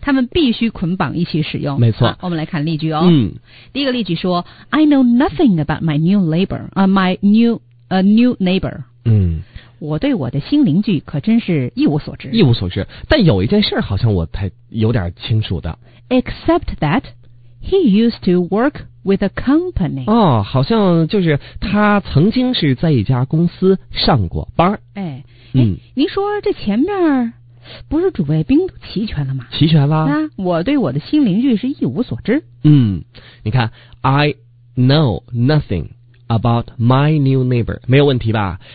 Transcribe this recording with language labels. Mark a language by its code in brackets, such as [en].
[zh] 他们必须捆绑一起使用。没错。我们来看例句哦。嗯。第一个例句说 [en] ：“I know nothing about my new neighbor. My new neighbor。” 嗯。 [zh] 我对我的新邻居可真是一无所知。一无所知，但有一件事好像我才有点清楚的。 [en] Except that he used to work with a company。 [zh] 哦，好像就是他曾经是在一家公司上过班。哎。哎，您说这前面不是主谓宾都齐全了吗？齐全了。那我对我的新邻居是一无所知。嗯，你看 ， [en] I know nothing about my new neighbor， [zh] 没有问题吧？